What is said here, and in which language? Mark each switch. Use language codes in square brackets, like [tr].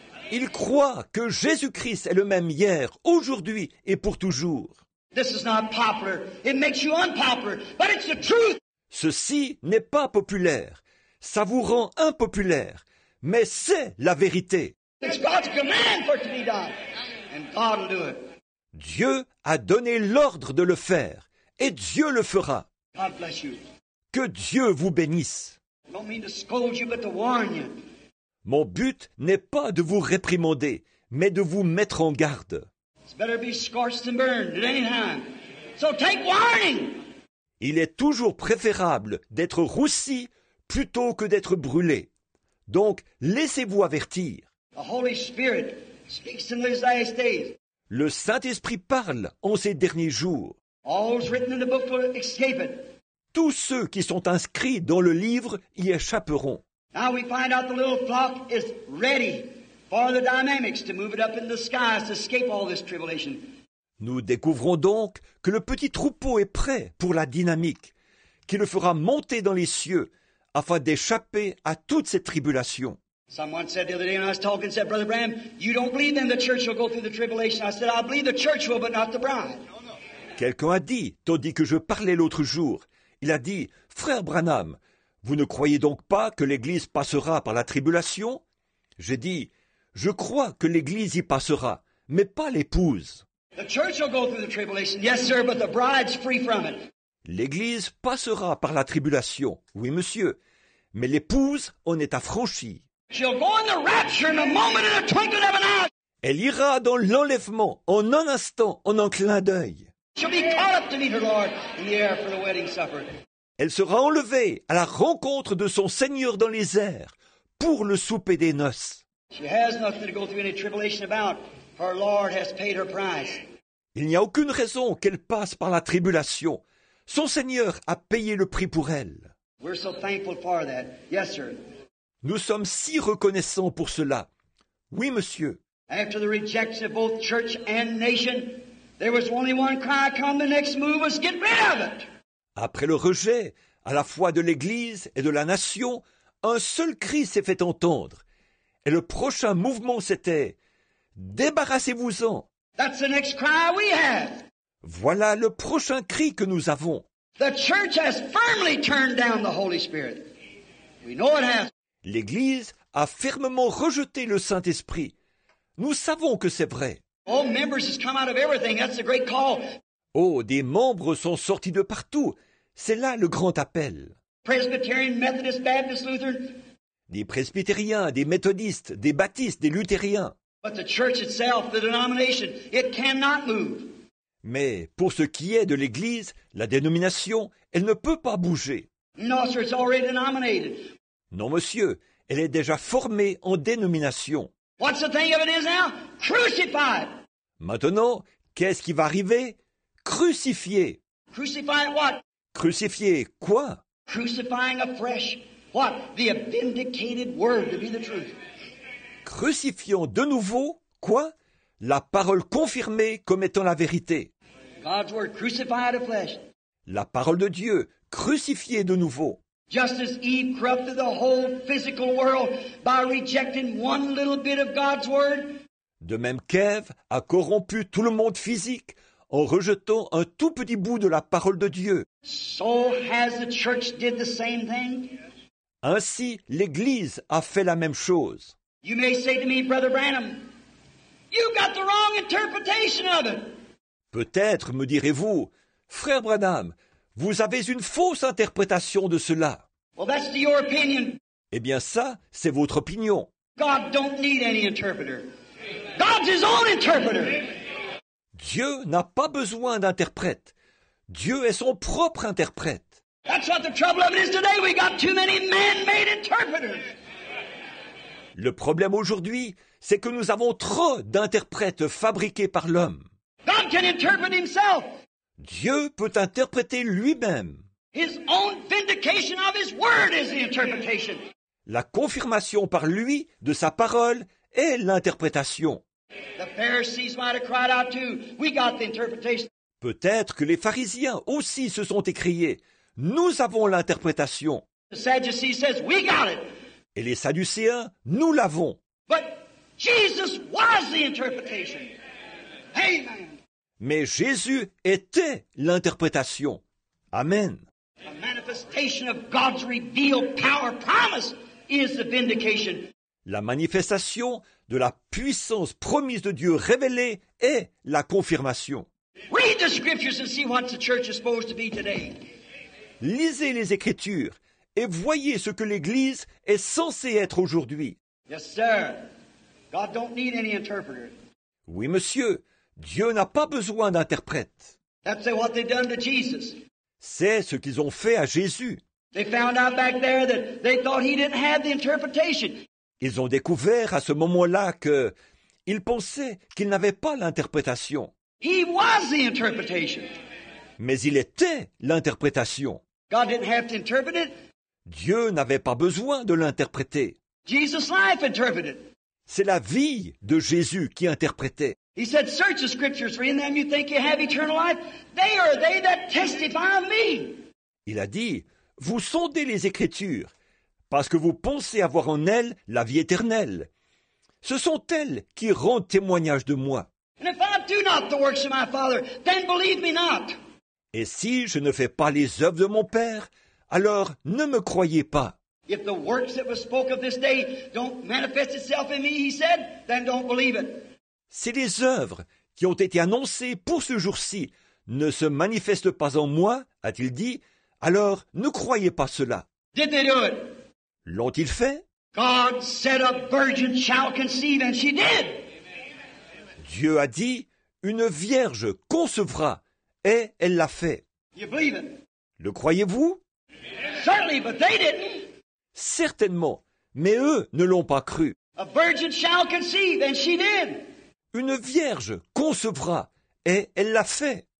[fr] Ils croient que Jésus-Christ est le même hier, aujourd'hui et pour toujours. [en] This is not popular. It makes you unpopular, but it's the truth. [fr] Ceci n'est pas populaire. Ça vous rend impopulaire, mais c'est la vérité. [en] It's God's command for it to be done, and God will do it. [fr] Dieu a donné l'ordre de le faire, et Dieu le fera. [en] God bless you. [fr] Que Dieu vous bénisse. [en] I don't mean to scold you, but to warn you. [fr] Mon but n'est pas de vous réprimander, mais de vous mettre en garde. [en] It's better be scorched than burned at any time. So take warning. [fr] Il est toujours préférable d'être roussi plutôt que d'être brûlé. Donc laissez-vous avertir. [en] The Holy Spirit speaks in these last days. [fr] Le Saint-Esprit parle en ces derniers jours. [en] All's written in the book will escape it. [fr] Tous ceux qui sont inscrits dans le livre y échapperont. [en] Now we find out the little flock is ready for the dynamics to move it up in the skies to escape all this tribulation. [fr] Nous découvrons donc que le petit troupeau est prêt pour la dynamique qui le fera monter dans les cieux afin d'échapper à toutes ces tribulations. [en] Someone said the other day when I was talking, said, Brother Branham, you don't believe then the church will go through the tribulation. I said, I believe the church will, but not the bride. [fr] Quelqu'un a dit, tandis que je parlais l'autre jour, il a dit, Frère Branham, vous ne croyez donc pas que l'Église passera par la tribulation? J'ai dit, je crois que l'Église y passera, mais pas l'épouse. [en] The church will go through the tribulation, yes sir, but the bride's free from it. [fr] L'Église passera par la tribulation, oui monsieur, mais l'épouse en est affranchie. [en] She'll go in the rapture in a moment, in a twinkling of an eye. [fr] Elle ira dans l'enlèvement, en un instant, en un clin d'œil. [en] She'll be caught up to meet her Lord in the air for the wedding supper. [fr] Elle sera enlevée à la rencontre de son Seigneur dans les airs pour le souper des noces. [en] She has nothing to go through any tribulation about. Her Lord has paid her price. [fr] Il n'y a aucune raison qu'elle passe par la tribulation. Son Seigneur a payé le prix pour elle. [en] We're so thankful for that. Yes, sir. [fr] Nous sommes si reconnaissants pour cela. Oui, monsieur. [en] After the rejection of both church and nation, there was only one cry, come, the next move was get rid of it. [fr] Après le rejet, à la fois de l'Église et de la nation, un seul cri s'est fait entendre. Et le prochain mouvement, c'était « Débarrassez-vous-en !» [en] That's the next cry we have. [fr] Voilà le prochain cri que nous avons. [en] The church has firmly turned down the Holy Spirit. We know it has. [fr] L'Église a fermement rejeté le Saint-Esprit. Nous savons que c'est vrai. [en] All members have come out of everything. That's a great call. [fr] Oh, des membres sont sortis de partout. C'est là le grand appel. [en] Presbyterian, Methodist, Baptist, Lutheran. [fr] Des presbytériens, des méthodistes, des baptistes, des luthériens. [en] But the church itself, the denomination, it cannot move. [fr] Mais pour ce qui est de l'Église, la dénomination, elle ne peut pas bouger. [en] No, sir, it's already denominated. [fr] Non, monsieur, elle est déjà formée en dénomination. [en] What's the thing of it is now? Crucified. [fr] Maintenant, qu'est-ce qui va arriver? Crucifié. [en] Crucifying what? [fr] Crucifié quoi? [en] Crucifying afresh. What? The vindicated word to be the truth. [fr] Crucifiant de nouveau, quoi? La parole confirmée comme étant la vérité. [en] God's word crucified afresh. [fr] La parole de Dieu crucifiée de nouveau. [en] Just as Eve corrupted the whole physical world by rejecting one little bit of God's word. [fr] De même qu'Ève a corrompu tout le monde physique en rejetant un tout petit bout de la parole de Dieu. [en] So has the church did the same thing. [fr] Ainsi, l'Église a fait la même chose. [en] You may say to me, Brother Branham, you've got the wrong interpretation of it. [fr] Peut-être me direz-vous, Frère Branham, vous avez une fausse interprétation de cela. [en] Well, that's your opinion. [fr] Eh bien, ça, c'est votre opinion. [en] God don't need any interpreter. God's his own interpreter. [fr] Dieu n'a pas besoin d'interprète. Dieu est son propre interprète. [en] That's what the trouble of it is today. We got too many man-made interpreters. [fr] Le problème aujourd'hui, c'est que nous avons trop d'interprètes fabriqués par l'homme. [en] God can interpret himself. [fr] Dieu peut interpréter lui-même. [en] His own vindication of his word is the interpretation. [fr] La confirmation par lui de sa parole est l'interprétation. [en] The Pharisees might have cried out too. We got the interpretation. [fr] Peut-être que les pharisiens aussi se sont écriés. Nous avons l'interprétation. [en] The Sadducees says, we got it. [fr] Et les Sadducéens, nous l'avons. [en] But Jesus was the interpretation. Amen. [fr] Mais Jésus était l'interprétation. Amen. [en] The manifestation of God's revealed power promise is the vindication. [fr] La manifestation de la puissance promise de Dieu révélée est la confirmation. [en] Read the scriptures and see what the church is supposed to be today. [fr] Lisez les Écritures et voyez ce que l'Église est censée être aujourd'hui. [en] Yes, sir. God don't need any interpreter. [fr] Oui, monsieur, Dieu n'a pas besoin d'interprète. [en] That's what they've done to Jesus. [fr] C'est ce qu'ils ont fait à Jésus. [en] They found out back there that they thought he didn't have the interpretation. [fr] Ils ont découvert à ce moment-là qu'ils pensaient qu'il n'avait pas l'interprétation. [en] He was the interpretation. [fr] Mais il était l'interprétation. [en] God didn't have to interpret it. [fr] Dieu n'avait pas besoin de l'interpréter. [en] Jesus' life interpreted. [fr] C'est la vie de Jésus qui interprétait. [en] He said, search the scriptures, for in them you think you have eternal life. They are they that testify of me. [fr] Il a dit, vous sondez les écritures, parce que vous pensez avoir en elles la vie éternelle. Ce sont elles qui rendent témoignage de moi. [en] And if I do not the works of my Father, then believe me not. [fr] Et si je ne fais pas les œuvres de mon Père, alors ne me croyez pas. [en] If the works that were spoken of this day don't manifest itself in me, he said, then don't believe it. [fr] Si les œuvres qui ont été annoncées pour ce jour-ci ne se manifestent pas en moi, a-t-il dit, alors ne croyez pas cela. [en] Did they do it? [fr] L'ont-ils fait? [en] God said a virgin shall conceive, and she did. [fr] Dieu a dit, une vierge concevra, et elle l'a fait. [en] You believe it? [fr] Le croyez-vous? [en] Certainly, but they didn't. [fr] Certainement, mais eux ne l'ont pas cru. [en] A virgin shall conceive, and she did. [fr] Une vierge concevra, et elle l'a fait.